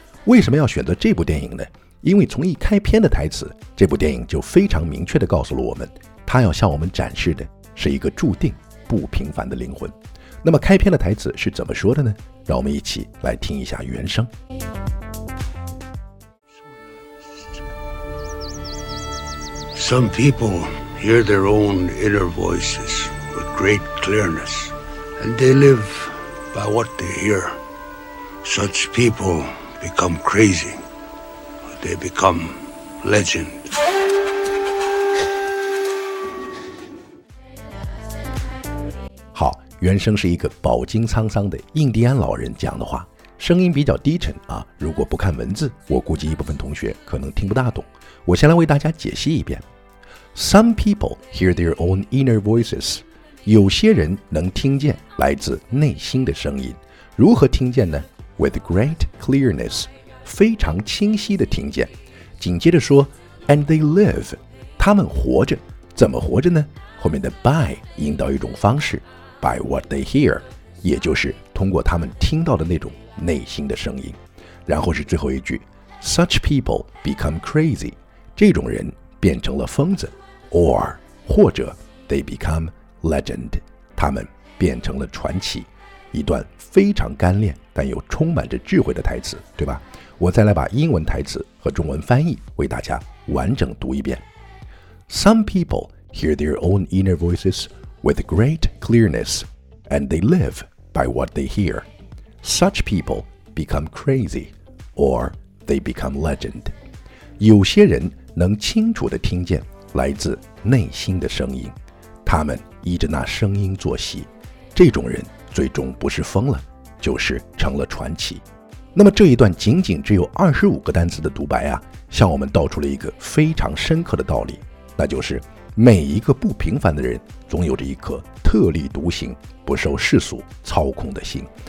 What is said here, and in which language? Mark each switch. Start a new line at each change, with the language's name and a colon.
Chinese: 为什么要选择这部电影呢？因为从一开篇的台词，这部电影就非常明确地告诉了我们，它要向我们展示的是一个注定不平凡的灵魂。那么开篇的台词是怎么说的呢？让我们一起来听一下原声。
English: Some people hear their own inner voices with great clearness, and they live by what they hear. Such people become crazy. They become legend.
Chinese: 原声是一个饱经沧桑的印第安老人讲的话，声音比较低沉啊。如果不看文字，我估计一部分同学可能听不大懂。我先来为大家解析一遍。
English: Some people hear their own inner voices.
Chinese: 有些人能听见来自内心的声音。如何听见呢？
English: With great clearness.
Chinese: 非常清晰的听见。紧接着说
English: And they live.
Chinese: 他们活着。怎么活着呢？后面的 by 引导一种方式。
English: By what they hear,
Chinese: 也就是通过他们听到的那种内心的声音。然后是最后一句 ,
English: such people become crazy,
Chinese: 这种人变成了疯子 ,
English: or,
Chinese: 或者
English: they become legend,
Chinese: 他们变成了传奇。一段非常干练但又充满着智慧的台词，对吧？我再来把英文台词和中文翻译为大家完整读一遍。
English: Some people hear their own inner voices,With great clearness, and they live by what they hear. Such people become crazy, or they become legend.
Chinese: 有些人能清楚地听见来自内心的声音，他们依着那声音作息，这种人最终不是疯了，就是成了传奇。那么这一段仅仅只有25个单词的独白啊，向我们道出了一个非常深刻的道理，那就是每一个不平凡的人总有着一颗特立独行不受世俗操控的心。